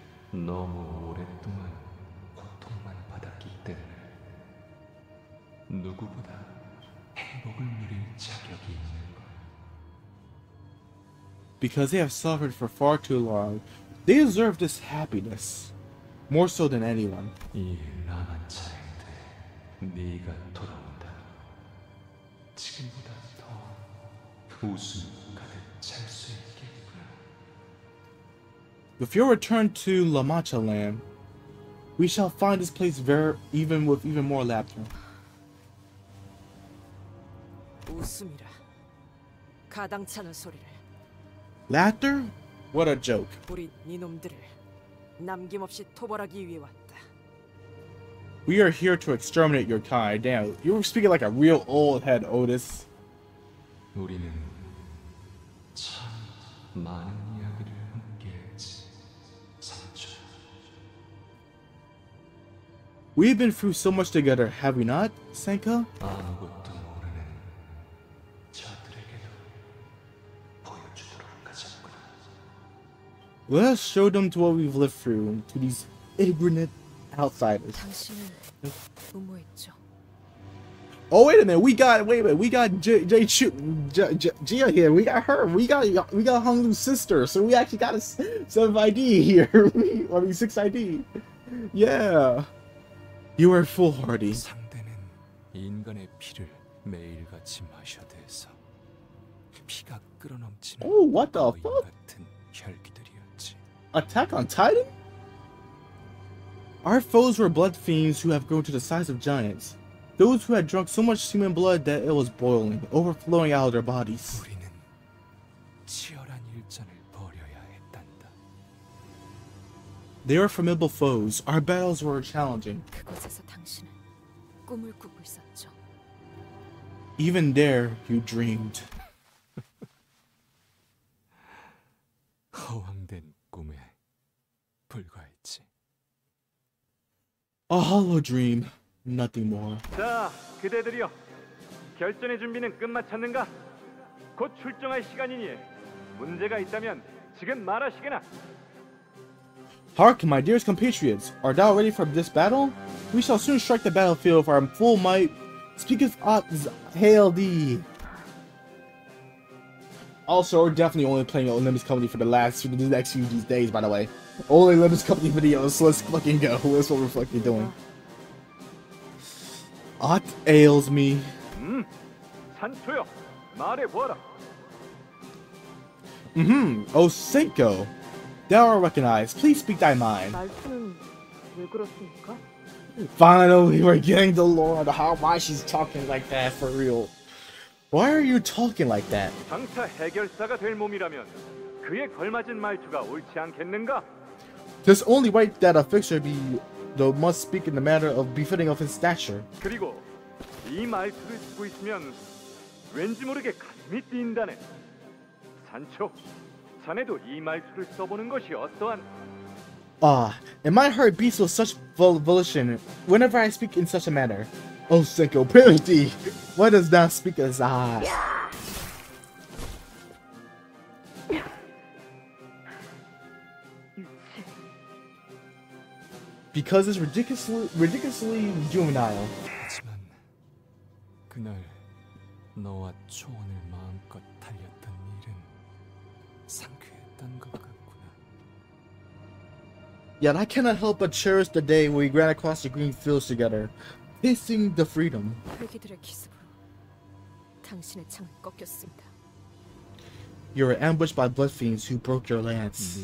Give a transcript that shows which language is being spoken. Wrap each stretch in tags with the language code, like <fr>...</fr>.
<ko>너무 오랫동안 고통만 받았기 때문에 누구보다 행복을 누릴 자격이 있는 거야.</ko> <en>Because they have suffered for far too long, they deserve this happiness more so than anyone.</en> <ko>이 남한 차에게 네가 돌아온다. 지금보다 더 웃음 가득 찰 수 있어.</ko> <en>If you return to La Mancha land, we shall find this place very even with even more laughter.</en> <ko>웃음이라 가당찮은 소리를.</ko> <en>Laughter? What a joke.</en> <ko>우리 니놈들을 남김없이 토벌하기 위해 왔다.</ko> <en>We are here to exterminate your kind. Damn, you're speaking like a real old head, Otis.</en> <ko>우리는 참 많은 이야기를</ko> <en>We've been through so much together, have we not, Senka?</en> <ko>아무것도 모르는 저들에게도 보여주도록 하자구나.</ko> <en>Let us show them to what we've lived through to these ignorant outsiders.</en> <ko>당신은 음모했죠.</ko> <en>Oh wait a minute, we got Jia here. We got her. We got Honglu's sister. So we actually got a 7th ID here. I mean 6th ID. Yeah. You are foolhardy.</en> <ko>상대는 인간의 피를 매일같이 마셔대서 피가 끓어넘치는</ko> <en>Oh, what the fuck?</en> <ko>같은 혈기들이었지.</ko> <en>Attack on Titan? Our foes were blood fiends who have grown to the size of giants. Those who had drunk so much human blood that it was boiling, overflowing out of their bodies.</en> <ko>우리는 치열한 일전을 벌여야 했단다.</ko> <en>They were formidable foes. Our battles were challenging.</en> <ko>그곳에서 당신은 꿈을 꾸고 있었죠.</ko> <en>Even there, you dreamed.</en> <ko>허황된 꿈에 불과했지.</ko> <en>A hollow dream. Nothing more.</en> <ko>자, 그대들이여. 결전의 준비는 끝마쳤는가? 곧 출정할 시간이니 문제가 있다면 지금 말하시게나.</ko> <en>Hark, my dearest compatriots. Are thou ready for this battle? We shall soon strike the battlefield for our full might. Speaketh Ops, hail thee. Also, we're definitely only playing Limbus Company for the next few days, by the way. Only Limbus Company videos, so let's fucking go. That's what we're fucking doing. What ails me?</en> <ko>산초여, 말해보아라.</ko> <en>Mm-hmm. Oh, Senko. Thou art recognized. Please speak thy mind.</en> <ko>말투는 왜 그렇습니까?</ko> <en>Finally, we're getting the lore on how why she's talking like that, for real. Why are you talking like that?</en> <ko>장차 해결사가 될 몸이라면 그에 걸맞은 말투가 옳지 않겠는가?</ko> <en>'Tis only right that a fixture be... though must speak in the manner of befitting of his stature.</en> <ko>그리고 이 말투를 듣고 있으면 왠지 모르게 가슴이 뛴다네. 산초, 자네도 이 말투를 써보는 것이 어떠한?</ko> <en>Ah, and my heart beats with such volition whenever I speak in such a manner. Oh, Senko, penalty! Why does thou speak as I? Because it's ridiculously juvenile.</en> <ko>하지만 그날 너와 초원을 마음껏 달렸던 일은 상쾌했던 것 같구나.</ko> <en>Yet I cannot help but cherish the day we ran across the green fields together, tasting the freedom.</en> <ko>혈기들의 기습으로 당신의 창을 꺾였습니다.</ko> <en>You were ambushed by blood fiends who broke your lance.</en>